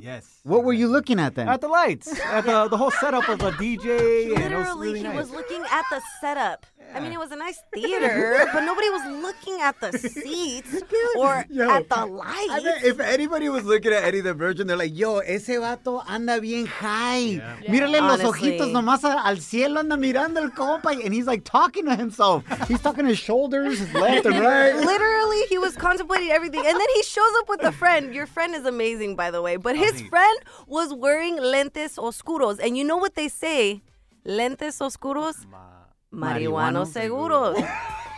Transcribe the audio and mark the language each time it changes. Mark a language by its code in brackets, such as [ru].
[en] Yes. What were you looking at then? At the lights. At the whole setup of the DJ. Literally, he was looking at the setup. Yeah. I mean, it was a nice theater, but nobody was looking at the seats at the lights. I mean, if anybody was looking at Eddie the Virgin, they're like, yo, ese vato anda bien high. Yeah. Yeah. [es] Mírale los ojitos nomás al cielo anda mirando el compa. [en] And he's like talking to himself. He's talking his shoulders, his left and right. Literally, he was contemplating everything. And then he shows up with a friend. Your friend is amazing, by the way. But his friend was wearing lentes oscuros. And you know what they say? Lentes oscuros? Marihuana seguros.